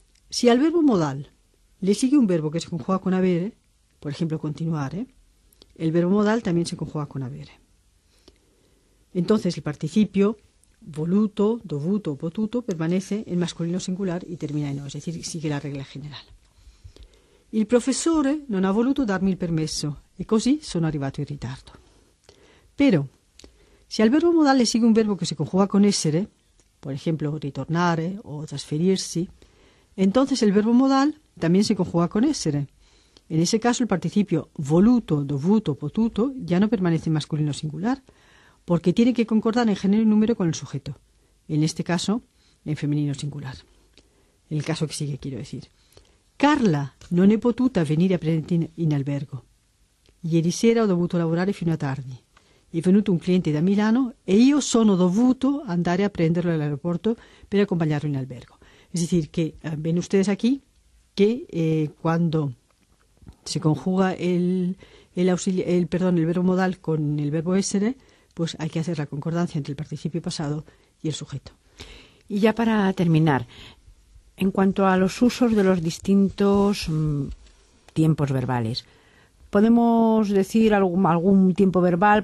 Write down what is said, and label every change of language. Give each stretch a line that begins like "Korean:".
Spanish: Si al verbo modal le sigue un verbo que se conjuga con avere, por ejemplo, continuare, el verbo modal también se conjuga con avere. Entonces el participio, voluto, dovuto, potuto, permanece en masculino singular y termina en no, es decir, sigue la regla general.
Italian: Il professore non ha voluto darmi il permesso e così sono arrivato in ritardo.
Spanish: Pero si al verbo modal le sigue un verbo que se conjuga con essere, por ejemplo, ritornare o trasferirsi, entonces el verbo modal también se conjuga con essere. En ese caso, el participio voluto, dovuto, potuto ya no permanece en masculino singular, porque tiene que concordar en género y número con el sujeto. En este caso, en femenino singular. En el caso que sigue, quiero decir.
Italian: Carla non è potuta venire a prendere in albergo. Ieri sera ho dovuto lavorare fino a tardi. È venuto un cliente da Milano e io sono dovuto andare a prenderlo all'aeroporto per accompagnarlo in albergo.
Spanish: Es decir, que ven ustedes aquí que cuando se conjuga el verbo modal con el verbo essere, pues hay que hacer la concordancia entre el participio pasado y el sujeto. Y ya para terminar, en cuanto a los usos de los distintos tiempos verbales, ¿podemos decir algún tiempo verbal?